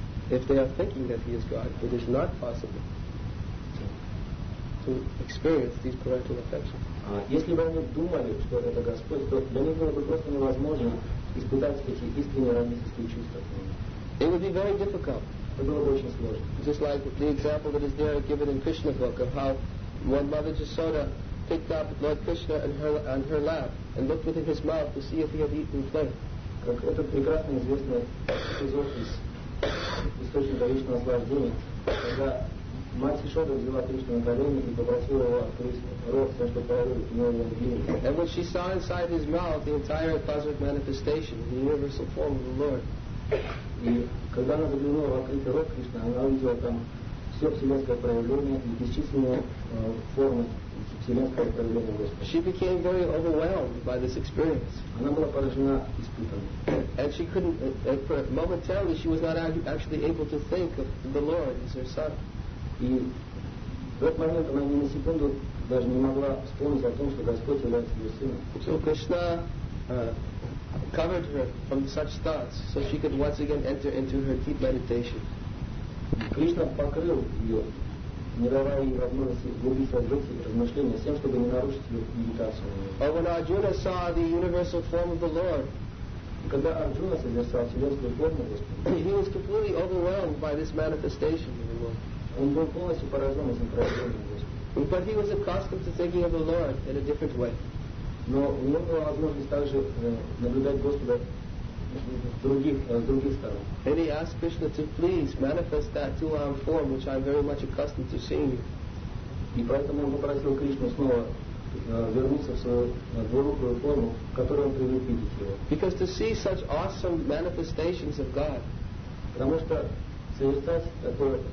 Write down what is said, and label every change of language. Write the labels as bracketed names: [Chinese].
[English] If they are thinking that he is God, it is not possible. to experience these parental affections. [Russian] Если бы они думали, что это Господь, то для них было бы просто невозможно испытать эти искренние родительские чувства. [English] It would be very difficult. [Russian] Это было бы очень сложно. [English] Just like the example that is there given in Krishna book of how one mother Yashoda picked up Lord Krishna on her lap and looked within his mouth to see if he had eaten clay. [Russian] Как это прекрасно известный эпизод из источника личного наслаждения, когда мать Ишода взяла Кришну на колени и попросила его открыть рот, чтобы проявить его любви. [English] And when she saw inside his mouth the entire cosmic manifestation, the universal form of the Lord. [Russian] И когда она заглянула в открытый рот Кришны, она увидела там все вселенское проявление и бесчисленные формы вселенского проявления Господа. [English] She became very overwhelmed by this experience. [Russian] Она была поражена испытанием. [English] And she couldn't, momentarily, she was not actually able to think of the Lord as her son. [Russian] И в этот момент она ни на секунду даже не могла вспомнить о том, что Господь является ее сыном. [English] So Krishna covered her from such thoughts, so she could once again enter into her deep meditation. [Russian] Кришна покрыл ее, не давая ей возможности углубить свои размышления, тем, чтобы не нарушить ее медитацию. [English] But when Arjuna saw the universal form of the Lord, [Russian] когда Арджуна созерцал вселенскую форму Господа, [English] he was completely overwhelmed by this manifestation of the Lord. [Russian] Он был полностью поражен этим проявлением Господа. [English] But he was accustomed to thinking of the Lord in a different way. [Russian] Но у него была возможность также наблюдать Господа с других сторон. [English] And he asked Krishna to please manifest that two-armed form, which I'm very much accustomed to seeing. [Russian] И поэтому он попросил Кришну снова вернуться в свою двурукую форму, в которой он привык видеть его. [English] Because to see such awesome manifestations of God. [Russian] Потому что созерцать такое,